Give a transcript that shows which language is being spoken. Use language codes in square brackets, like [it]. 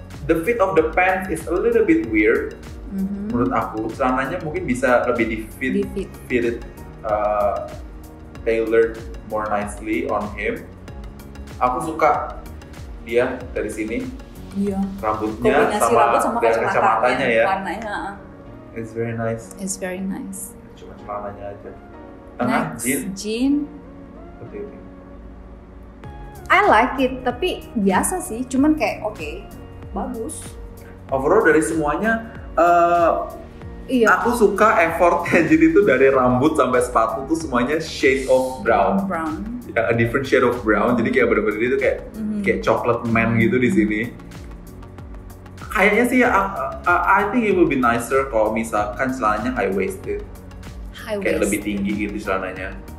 [en] The fit of the pants is a little bit weird. Mm-hmm. [id] Menurut aku, celananya mungkin bisa lebih di fit. [en] Tailored more nicely on him. [id] Aku suka dia dari sini. Iya. Rambutnya sama, rambut sama dari kacamatanya ya. Warnanya. [en] It's very nice. It's very nice. [id] Cuma celananya aja. Tengah, Jin. Okay. [en] I like it, [id] tapi biasa sih. Cuman kayak okay, bagus. Overall dari semuanya. Iya. Aku suka effort Tenjin itu dari rambut sampai sepatu tuh semuanya shade of brown. Ya, [en] a different shade of brown. [id] Jadi kayak benar-benar itu kayak kayak chocolate man gitu di sini. Kayaknya sih [en] I think it would be nicer [id] kalau misalkan celananya high waisted. Kayak lebih tinggi gitu celananya.